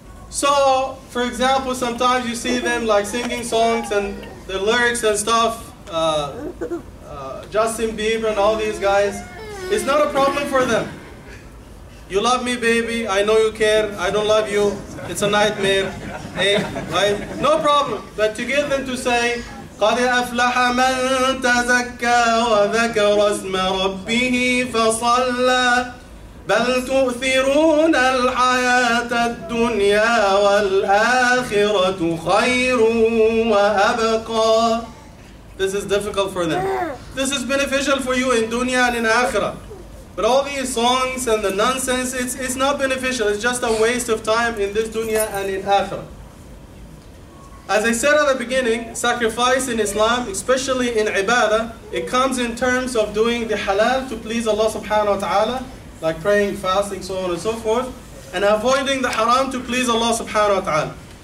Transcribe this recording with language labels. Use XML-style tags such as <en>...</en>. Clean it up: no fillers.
<en>So, for example, sometimes you see them like singing songs and the lyrics and stuff, Justin Bieber and all these guys, it's not a problem for them. You love me, baby, I know you care, I don't love you, it's a nightmare, hey, right? No problem. But to get them to say,</en> <ar>قَدْ أَفْلَحَ مَنْ تَزَكَّى وَذَكَرَ اسْمَ رَبِّهِ فَصَلَّى بَلْ تُؤْثِرُونَ الْحَيَاةَ الدُّنْيَا وَالْآخِرَةُ خَيْرٌ وَأَبْقَى.</ar> <en>This is difficult for them. This is beneficial for you in dunya and in akhirah. But all these songs and the nonsense, it's not beneficial. It's just a waste of time in this dunya and in akhirah. As I said at the beginning, sacrifice in Islam, especially in ibadah, it comes in terms of doing the halal to please Allah subhanahu wa ta'ala, like praying, fasting, so on and so forth, and avoiding the haram to please Allah subhanahu wa ta'ala.</en>